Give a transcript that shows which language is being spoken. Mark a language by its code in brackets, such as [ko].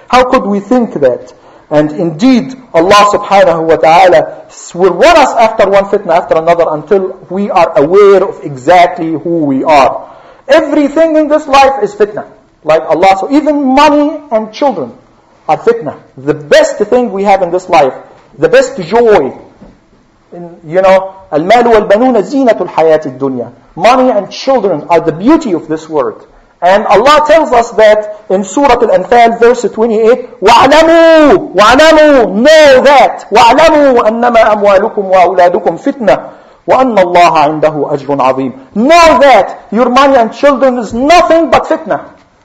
[en] How could we think that? And indeed, Allah subhanahu wa ta'ala will run us after one fitna after another until we are aware of exactly who we are. Everything in this life is fitna. Like Allah, so even money and children are fitna. The best thing we have in this life, the best joy, in, you know, [ar] المال والبنون زينة الحياة الدنيا. [en] Money and children are the beauty of this world. And Allah tells us that in Surah Al-Anfal, verse 28, [ar] وَعْلَمُوا وَعْلَمُوا [en] Know that. [ar] وَعْلَمُوا أَنَّمَا أَمْوَالُكُمْ وَأَوْلَادُكُمْ فِتْنَةٌ وَأَنَّ اللَّهَ عِنْدَهُ أَجْرٌ عَظِيمٌ [en] Know that your money and children is nothing but fitna.